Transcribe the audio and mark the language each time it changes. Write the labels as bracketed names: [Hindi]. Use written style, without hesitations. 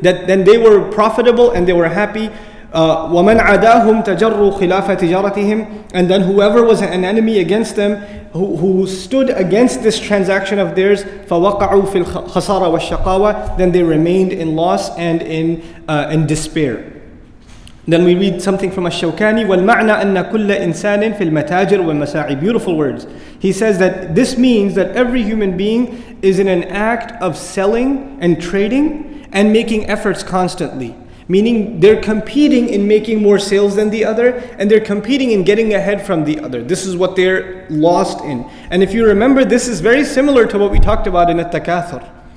[English] Then they were profitable and they were happy. [Arabic] وَمَنْ عَدَاهُمْ تَجَرُّوا خِلَافَ تِجَارَتِهِمْ. [English] And then whoever was an enemy against them, who stood against this transaction of theirs, [Arabic] فَوَقَعُوا فِي الْخَسَارَ وَالشَّقَاوَ. [English] Then they remained in loss and in despair. Then we read something from Ash-Shawkani, [Arabic] وَالْمَعْنَى أَنَّ كُلَّ إِنسَانٍ فِي الْمَتَاجِرِ وَالْمَسَاعِ. [English] Beautiful words. He says that this means that every human being is in an act of selling and trading, and making efforts constantly. Meaning they're competing in making more sales than the other, and they're competing in getting ahead from the other. This is what they're lost in. And if you remember, this is very similar to what we talked about in At-Takathur.